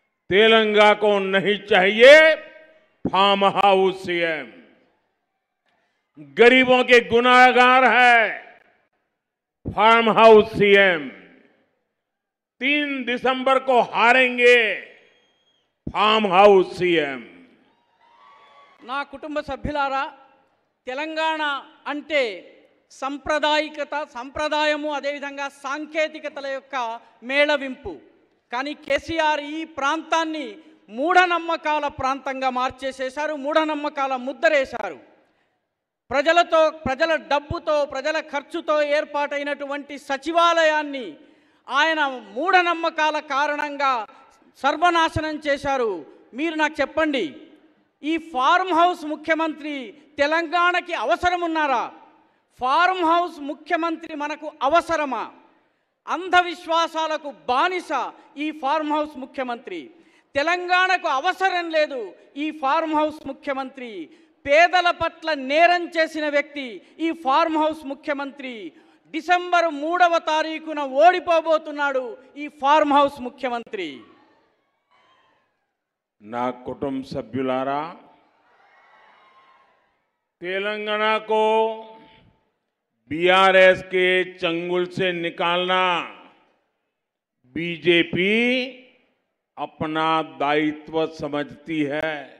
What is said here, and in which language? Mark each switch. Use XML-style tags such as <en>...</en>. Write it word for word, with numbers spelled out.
<hi>तेलंगाना को नहीं चाहिए फार्म हाउस सीएम। गरीबों के गुनाहगार है फार्म हाउस सीएम। तीन दिसंबर को हारेंगे फार्म हाउस सीएम।</hi> <te>ना कुटुंब सभ्युलारा, తెలంగాణ అంటే సంప్రదాయకత, సంప్రదాయము, అదేవిధంగా సాంకేతికతల యొక్క మేళవింపు. కానీ కేసీఆర్ ఈ ప్రాంతాన్ని మూఢనమ్మకాల ప్రాంతంగా మార్చేసేశారు, మూఢనమ్మకాల ముద్దరేశారు. ప్రజలతో, ప్రజల డబ్బుతో, ప్రజల ఖర్చుతో ఏర్పాటైనటువంటి సచివాలయాన్ని ఆయన మూఢనమ్మకాల కారణంగా సర్వనాశనం చేశారు. మీరు నాకు చెప్పండి, ఈ ఫార్మ్ హౌస్ ముఖ్యమంత్రి తెలంగాణకి అవసరమున్నారా? ఫార్మ్ హౌస్ ముఖ్యమంత్రి మనకు అవసరమా? అంధవిశ్వాసాలకు బానిస ఈ ఫార్మ్ హౌస్ ముఖ్యమంత్రి. తెలంగాణకు అవసరం లేదు ఈ ఫార్మ్ హౌస్ ముఖ్యమంత్రి. పేదల పట్ల నేరం చేసిన వ్యక్తి ఈ ఫార్మ్ హౌస్ ముఖ్యమంత్రి. డిసెంబర్ మూడవ తారీఖున ఓడిపోబోతున్నాడు ఈ ఫార్మ్ హౌస్ ముఖ్యమంత్రి. నా కుటుంబ సభ్యులారా,</te> <hi>तेलंगाना को बीआरएस के चंगुल से निकालना बीजेपी अपना दायित्व समझती है।</hi>